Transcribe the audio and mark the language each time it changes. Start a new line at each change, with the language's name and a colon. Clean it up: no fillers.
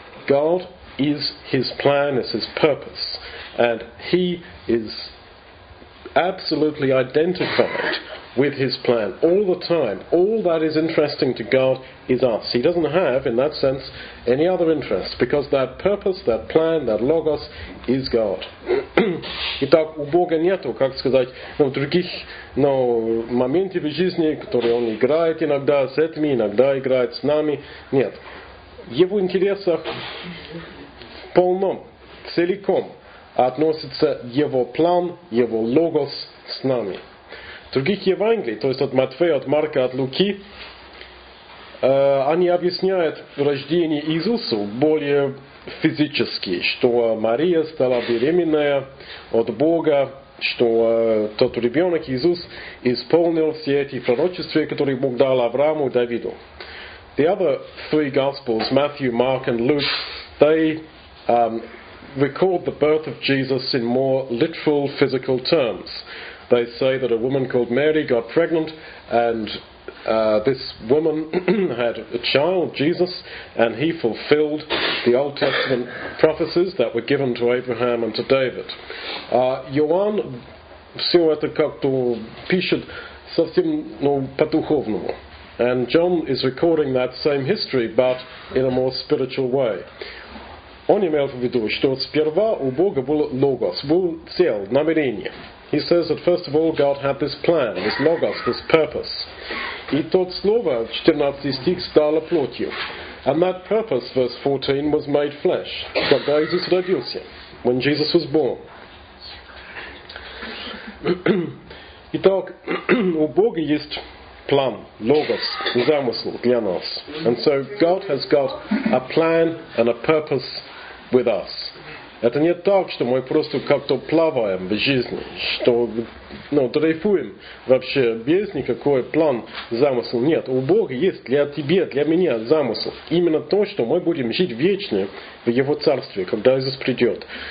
English: God is His plan, is His purpose. And He is absolutely identified with His plan all the time. All that is interesting to God is us. He doesn't have, in that sense, any other interest, because that purpose, that plan, that logos is God.
Russian: Итак, у Бога нету, как сказать, ну, других, ну, моментов в жизни, которые Он играет иногда с этими, иногда играет с нами. Нет. Его интересах полном, целиком относится Его план, Его логос с нами. Других Евангелий, то есть от Матфея, от Марка, от Луки, они объясняют рождение Иисуса более физически, что Мария стала беременная от Бога, что тот ребенок Иисус исполнил все эти пророчества, которые Бог дал Аврааму и Давиду.
English: The other three Gospels, Matthew, Mark and Luke, they record the birth of Jesus in more literal, physical terms. They say that a woman called Mary got pregnant, and this woman had a child, Jesus, and he fulfilled the Old Testament prophecies that were given to Abraham and to David.
Russian: Иоанн все это как-то пишет совсем, ну, по-духовному.
English: And John is recording that same history, but in a more spiritual way.
Russian: Он имел в виду, что сперва у Бога был логос, был цель, намерение.
English: He says that first of all God had this plan, this logos, this purpose.
Russian: И тот слово, 14 стих, стало плотью.
English: And that purpose, verse 14, was made flesh.
Russian: Когда Иисус родился,
English: when Jesus was born.
Russian: Итак, у Бога есть план, логос, замысел для нас.
English: And so God has got a plan and a purpose with us.
Russian: Это не так, что мы просто как-то плаваем в жизни, что, ну, дрейфуем вообще без никакого плана, замысла. Нет, у Бога есть для тебя, для меня замысел. Именно то, что мы будем жить вечно в Его Царстве, когда Иисус придет.